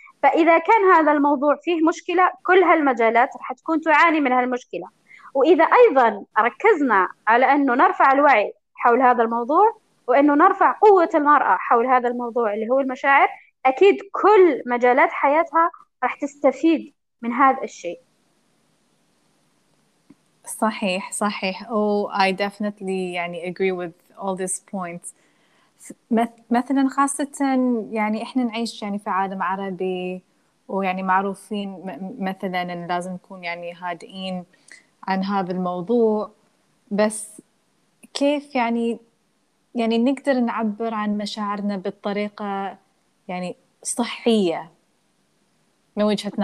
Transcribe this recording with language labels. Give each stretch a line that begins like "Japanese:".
Arabic: فإذا كان هذا الموضوع فيه مشكلة، كل هالمجالات راح تكون تعاني من هالمشكلة. وإذا أيضا ركزنا على أنه نرفع الوعي حول هذا الموضوع، وأنه نرفع قوة المرأة حول هذا الموضوع اللي هو المشاعر، أكيد كل مجالات حياتها راح تستفيد من هذا الشيء. صحيح صحيح.
English: Oh, I definitely
Arabic: يعني
English: agree with all these points.
Arabic: مثلا خاصة يعني إحنا نعيش يعني في عالم عربي، ويعني معروفين مثلا إن لازم نكون يعني هادئين عن هذا الموضوع، بس كيف يعني نقدر نعبر عن مشاعرنا بالطريقة يعني صحية من وجهة